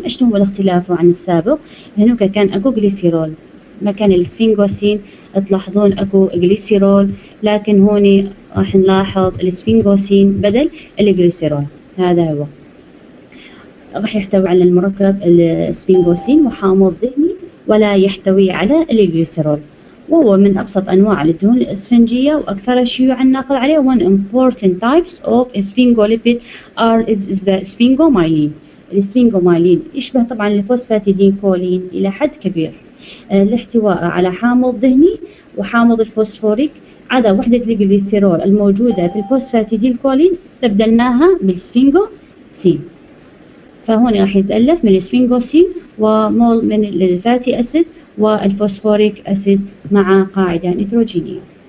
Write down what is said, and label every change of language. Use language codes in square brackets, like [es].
[ar] ايش هو الاختلاف عن السابق؟ هناك كان اكو جليسيرول مكان السفينجوسين, تلاحظون اكو جليسيرول, لكن هوني راح نلاحظ السفينجوسين بدل الجليسيرول. هذا هو راح يحتوي على المركب السفينجوسين وحامض دهني, ولا يحتوي على الجليسيرول, وهو من ابسط انواع الدهون الاسفنجيه واكثر شيوعا ناقل عليه. [en] One important types of sphingolipid is the sphingomyelin. [ar] السفينجوميلين يشبه طبعا الفوسفاتيدين كولين الى حد كبير, الاحتواء على حامض دهني وحامض الفوسفوريك, عدا وحده الجليسيرول الموجوده في الفوسفاتيدين كولين استبدلناها بالسفينجوسين. فهون راح يتالف من السفينجوسين ومول من الفاتي اسيد والفوسفوريك اسيد مع قاعده نيتروجينيه.